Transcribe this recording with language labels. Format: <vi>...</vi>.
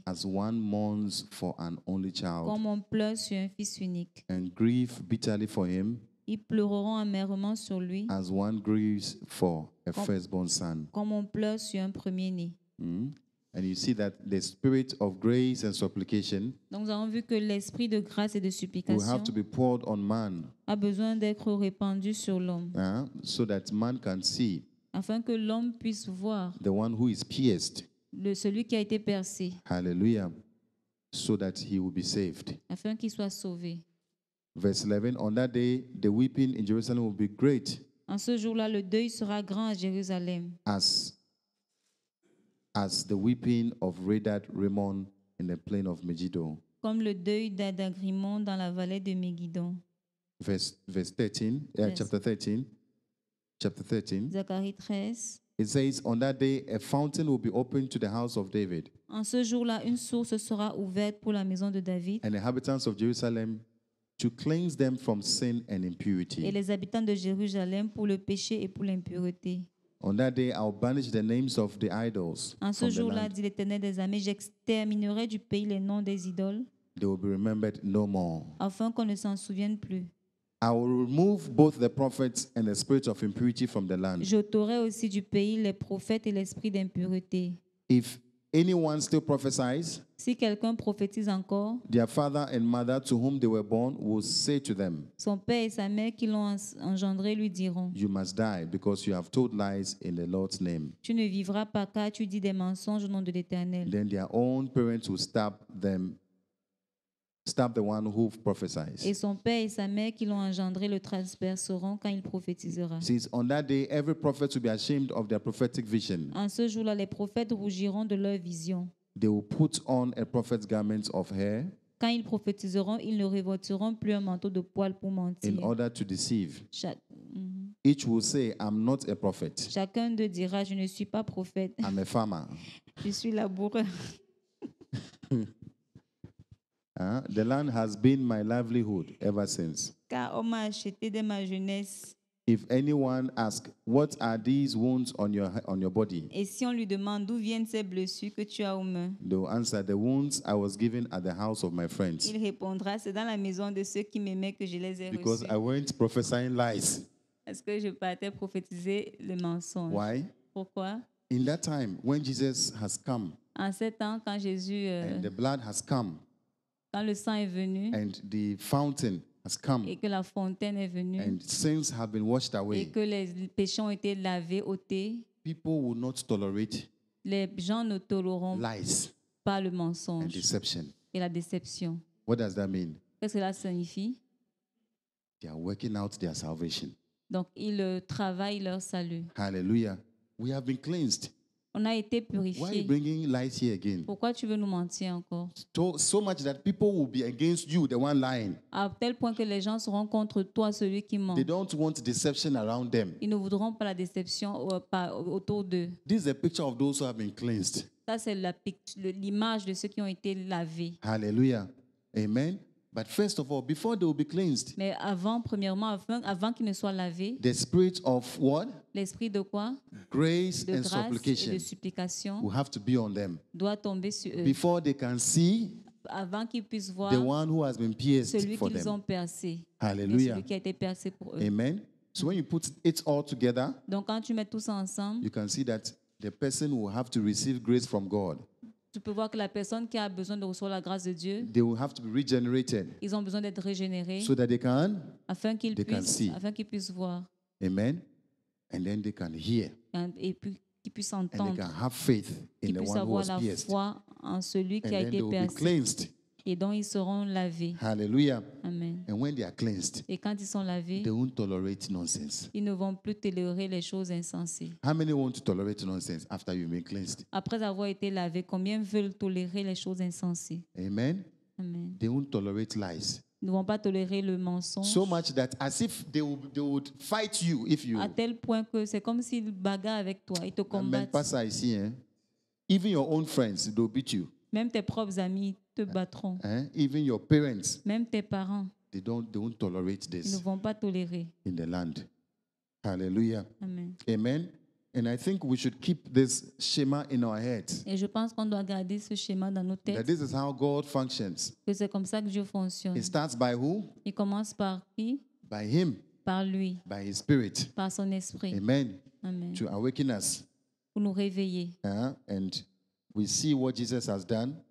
<en>As one mourns for an only child.</en> <fr>Comme on pleure sur un fils unique.</fr> <en>And grieve bitterly for him.</en> <fr>Ils pleureront amèrement sur lui.</fr> <en>As one grieves for a firstborn son.</en> <fr>Comme on pleure sur un premier-né.</fr> <en>And you see that the spirit of grace and supplication.</en> <fr>Donc, nous avons vu que l'esprit de grâce et de supplication.</fr> <en>Will have to be poured on man.</en> <fr>A besoin d'être répandu sur l'homme.</fr> <en>So that man can see.</en> <fr>Afin que l'homme puisse voir.</fr> <en>The one who is pierced.</en> <fr>Celui qui a été percé.</fr> <en>Hallelujah. So that he will be saved.</en> <fr>Afin qu'il soit sauvé.</fr> <en>Verse 11, on that day, the weeping in Jerusalem will be great.</en> <fr>En ce jour-là, le deuil sera grand à Jérusalem.</fr> <en>As the weeping of Redad Rimon in the plain of Megiddo.</en> <fr>Comme le deuil d'Adagrimon dans la vallée de Megiddo.</fr> <en>Verse 13, chapter 13.</en> <fr>Zacharie 13.</fr> <en>It says, on that day, a fountain will be opened to the house of David.</en> <fr>En ce jour-là, une source sera ouverte pour la maison de David.</fr> <en>And the inhabitants of Jerusalem to cleanse them from sin and impurity.</en> <fr>Et les habitants de Jérusalem pour le péché et pour l'impureté.</fr> <en>On that day, I'll banish the names of the idols.</en> <fr>En ce jour-là, dit l'Éternel des armées, j'exterminerai du pays les noms des idoles.</fr> <en>They will be remembered no more.</en> <fr>Afin qu'on ne s'en souvienne plus.</fr> <en>I will remove both the prophets and the spirit of impurity from the land.</en> <fr>J'ôterai aussi du pays les prophètes et l'esprit d'impureté.</fr> <en>If anyone still prophesies,</en> <fr>si quelqu'un prophétise encore,</fr> <en>their father and mother to whom they were born will say to them,</en> <fr>son père et sa mère qui l'ont engendré lui diront,</fr> <en>you must die because you have told lies in the Lord's name.</en> <fr>Tu ne vivras pas car tu dis des mensonges au nom de l'Éternel.</fr> <en>Then their own parents will stab them. Stab the one who prophesies.</en> <fr>Et son père et sa mère qui l'ont engendré le transperceront quand il prophétisera.</fr> <en>Since on that day every prophet will be ashamed of their prophetic vision.</en> <fr>En ce jour-là, les prophètes rougiront de leur vision.</fr> <en>They will put on a prophet's garments of hair.</en> <fr>Quand ils prophétiseront, ils ne revêtiront plus un manteau de poil pour mentir.</fr> <en>In order to deceive. Each will say, I'm not a prophet.</en> <fr>Chacun d'eux dira, je ne suis pas prophète.</fr> <en>I'm a farmer.</en> <fr>Je suis laboureur.</fr> <en>The land has been my livelihood ever since.</en> <fr>Car on m'a acheté dès ma jeunesse.</fr> <en>If anyone asks, what are these wounds on your body?</en> <fr>Et si on lui demande d'où viennent ces blessures que tu as aux mains?</fr> <en>They will answer, the wounds I was given at the house of my friends.</en> <fr>Il répondra, c'est dans la maison de ceux qui m'aimaient que je les ai</fr> <en>because</en> <fr>reçus.</fr> <en>Because I went prophesying lies.</en> <fr>Parce que je partais prophétiser le mensonge.</fr> <en>Why?</en> <fr>Pourquoi?</fr> <en>In that time, when Jesus has come.</en> <fr>En ce temps, quand Jésus.</fr> <en>And the blood has come.</en> <fr>Quand le sang est venu,</fr> <en>and the fountain has come,</en> <fr>et que la fontaine est venue,</fr> <en>and sins have been washed away,</en> <fr>et que les péchés ont été lavés, ôtés,</fr> <en>people will not tolerate</en> <fr>les gens ne tolèreront</fr> <en>lies</en> <fr>pas le mensonge</fr> <en>and deception.</en> <fr>Et la déception.</fr> <en>What does that mean?</en> <fr>Qu'est-ce que cela signifie?</fr> <en>They are working out their salvation.</en> <fr>Donc ils travaillent leur salut.</fr> <en>Hallelujah. We have been cleansed.</en> <fr>On a été purifié.</fr> <en>Why are you bringing lies here again?</en> <fr>Pourquoi tu veux nous mentir encore?</fr> <en>So much that people will be against you, the one lying.</en> <fr>À tel point que les gens seront contre toi, celui qui ment.</fr> <en>They don't want deception around them.</en> <fr>Ils ne voudront pas la déception autour d'eux.</fr> <en>This is a picture of those who have been cleansed.</en> <fr>Ça c'est l'image de ceux qui ont été lavés. Hallelujah. Amen.</fr> <en>But first of all, before they will be cleansed.</en> <fr>Mais avant, premièrement, avant qu'ils ne soient lavés.</fr> <en>The spirit of what?</en> <fr>L'esprit de quoi?</fr> <en>Grace</en> <fr>de</fr> <en>and</en> <fr>grâce</fr> <en>supplication.</en> <fr>Et de supplication.</fr> <en>Will have to be on them.</en> <fr>Doit tomber sur eux.</fr> <en>Before they can see.</en> <fr>Avant qu'ils puissent voir.</fr> <en>The one who has been pierced</en> <fr>celui</fr> <en>for</en> <fr>qu'ils</fr> <en>them.</en> <fr>Ont percé. Hallelujah. Celui qui a été percé pour eux.</fr> <en>Amen. So when you put it all together.</en> <fr>Donc quand tu mets tout ça ensemble.</fr> <en>You can see that the person will have to receive grace from God.</en> <fr>Tu peux voir que la personne qui a besoin de recevoir la grâce de Dieu,</fr> <en>they will have to be regenerated,</en> <fr>ils ont besoin d'être régénérés,</fr> <en>so that they can,</en> <fr>afin qu'ils</fr> <en>they</en> <fr>puissent,</fr> <en>can see.</en> <fr>Afin qu'ils puissent voir.</fr> <en>Amen. And then they can hear.</en> <fr>Et puis qu'ils puissent entendre.</fr> <en>And they can have faith in the one who was pierced.</en> <fr>Ils puissent avoir la foi en celui qui</fr> <en>and</en> <fr>a été percé.</fr> <en>Be cleansed.</en> <fr>Et dont ils seront lavés. Hallelujah. Amen.</fr> <en>And when they are cleansed,</en> <fr>et quand ils sont lavés,</fr> <en>they won't tolerate nonsense.</en> <fr>Ils ne vont plus tolérer les choses insensées.</fr> <en>How many want to tolerate nonsense after you've been cleansed?</en> <fr>Après avoir été lavé, combien veulent tolérer les choses insensées? Amen. Amen.</fr> <en>They won't tolerate lies.</en> <fr>Ils ne vont pas tolérer le mensonge.</fr> <en>So much that as if they would fight you if you.</en> <fr>À tel point que c'est comme s'ils bagarrent avec toi, ils te combattent.</fr> <en>Amen.</en> <fr>Pas ça ici, hein?</fr> <en>Even your own friends, they'll beat you.</en> <fr>Même tes propres amis te battront.</fr> <en>Even your parents,</en> <fr>même tes parents.</fr> <en>They won't tolerate this.</en> <fr>Ils ne vont pas tolérer.</fr> <en>In the land. Hallelujah. Amen. Amen. And I think we should keep this schema in our heads.</en> <fr>Et je pense qu'on doit garder ce schéma dans nos têtes.</fr> <en>That this is how God functions.</en> <fr>Que c'est comme ça que Dieu fonctionne.</fr> <en>It starts by who?</en> <fr>Il commence par qui?</fr> <en>By him.</en> <fr>Par lui.</fr> <en>By his spirit.</en> <fr>Par son esprit. Amen. Amen.</fr> <en>To awaken us.</en> <fr>Pour nous réveiller.</fr> <en>And we see what Jesus has done.</en>